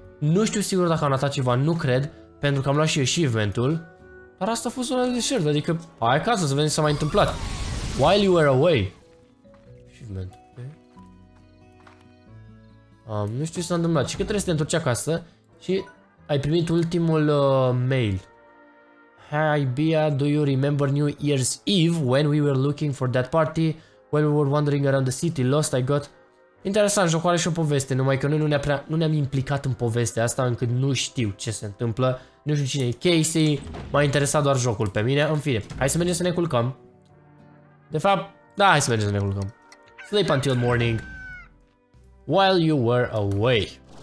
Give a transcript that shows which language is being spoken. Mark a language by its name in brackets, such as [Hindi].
[Romanian] Nu știu sigur dacă am atat ceva, nu cred. Pentru că am luat și achievement-ul. Dar asta a fost zona de deșert. Adică hai acasă să vedem ce s-a mai întâmplat. [English] While you were away. [Romanian] Achievement. Nu știu ce s-a întâmplat, ci că trebuie să te întorci acasă și ai primit ultimul mail. [English] Hi Bea, do you remember New Year's Eve when we were looking for that party? When we were wandering around the city, lost I got... [Romanian] Interesant, jocul are și o poveste, numai că noi nu ne-am implicat în povestea asta încât nu știu ce se întâmplă. Nu știu cine e Casey, m-a interesat doar jocul pe mine. În fine, hai să mergem să ne culcăm. De fapt, da, hai să mergem să ne culcăm. [English] Sleep until morning. While you were away.